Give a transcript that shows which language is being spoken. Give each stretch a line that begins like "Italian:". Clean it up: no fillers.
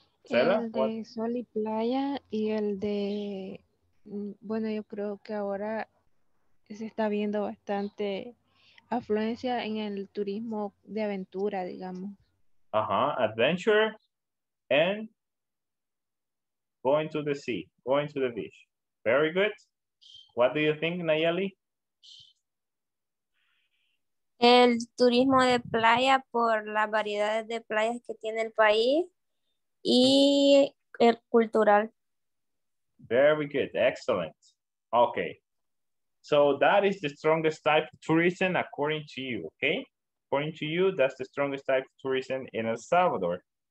Spanish: Marcela, el de
English: what?
Spanish: Sol y playa y el de, bueno, yo creo que ahora se está viendo bastante afluencia en el turismo de aventura, digamos.
English: Ajá, adventure and Going to the sea, going to the beach. Very good. What do you think, Nayeli?
Spanish: El turismo de playa por las variedades de playas que tiene el país y el cultural.
English: Very good. Excellent. Okay. So that is the strongest type of tourism according to you, okay? According to you, that's the strongest type of tourism in El Salvador.